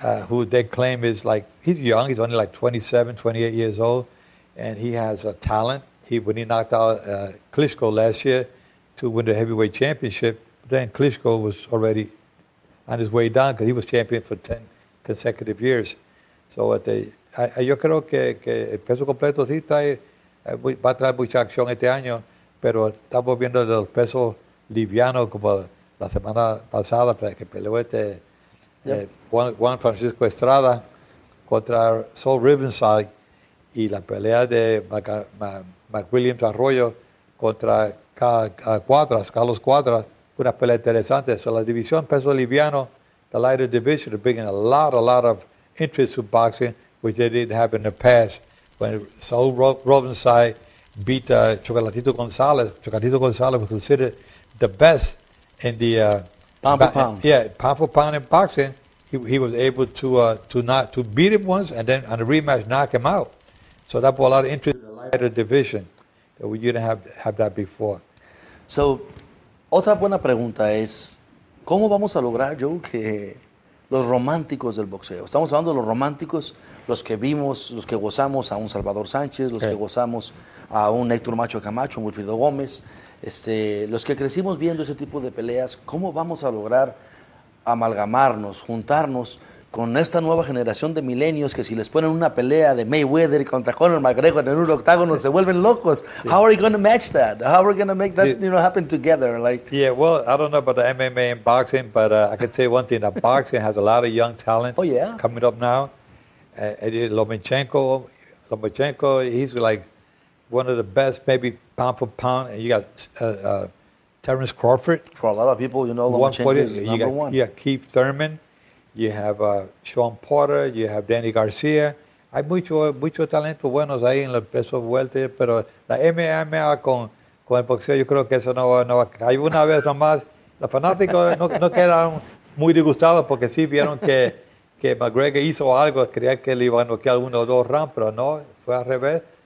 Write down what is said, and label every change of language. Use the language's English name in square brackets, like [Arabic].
[English] Who they claim is like, he's young. He's only like 27, 28 years old, and he has a talent. When he knocked out Klitschko last year to win the heavyweight championship, then Klitschko was already on his way down because he was champion for 10 consecutive years. [Spanish] So yo creo que el peso completo sí va a traer mucha acción este año, pero estamos viendo el peso liviano como la semana pasada que peleó Juan Francisco Estrada contra Saul Rivenside y la pelea de McWilliams Arroyo contra Cuadras, Carlos Cuadras, una pelea interesante. [English] So [Spanish] la división peso liviano, [English] the lighter division, are bringing a lot of interest to boxing, which they didn't have in the past. When Saul Rosenzweig beat Chocolatito González, Chocolatito González was considered the best in the pound for pound in boxing. He was able to beat him once, and then on the rematch knock him out. So that brought a lot of interest in the lighter division. You didn't have that before. [Spanish] So, otra buena pregunta es, ¿cómo vamos a lograr, Joe, que los románticos del boxeo? Estamos hablando de los románticos, los que vimos, los que gozamos a un Salvador Sánchez, los que gozamos a un Héctor Macho Camacho, un Wilfrido Gómez, los que crecimos viendo ese tipo de peleas, ¿cómo vamos a lograr amalgamarnos, juntarnos con esta nueva generación de milenios que si les ponen una pelea de Mayweather contra Conor McGregor en un octágono se vuelven locos? Sí. [English] How are you going to match that? How are we going to make that happen together? Well, I don't know about the MMA and boxing, but I can tell you one thing: that boxing has a lot of young talent coming up now. Lomachenko, he's like one of the best, maybe pound for pound. And you got Terence Crawford. For a lot of people, Lomachenko is number one. Yeah, Keith Thurman. You have Sean Porter, you have Danny Garcia. [Spanish] Hay mucho talento buenos ahí en los pesos vueltas, pero la MMA con el boxeo, yo creo que eso no va. Hay una vez nomás, los fanáticos no quedaron muy disgustados porque sí vieron que McGregor hizo algo, creían que le iban a noquear uno o dos rounds, pero no, fue al revés.